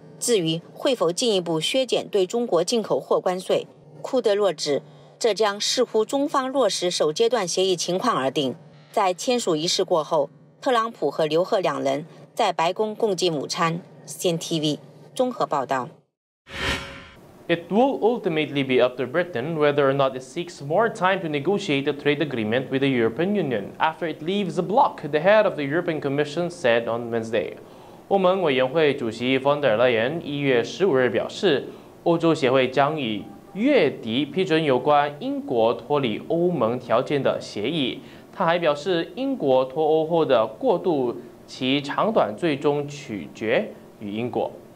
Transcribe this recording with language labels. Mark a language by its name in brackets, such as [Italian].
[Chinese] 至于会否进一步削减对中国进口货关税，库德洛指这将视乎中方落实首阶段协议情况而定。在签署仪式过后，特朗普和刘鹤两人在白宫共进午餐。 CNTV 综合报道。 [English] It will ultimately be up to Britain whether or not it seeks more time to negotiate a trade agreement with the European Union after it leaves the bloc, the head of the European Commission said on Wednesday. [Chinese] 欧盟委员会主席冯德莱恩1月15日表示，欧洲协会将于月底批准有关英国脱离欧盟条件的协议。他还表示，英国脱欧后的过渡期长短最终取决于英国。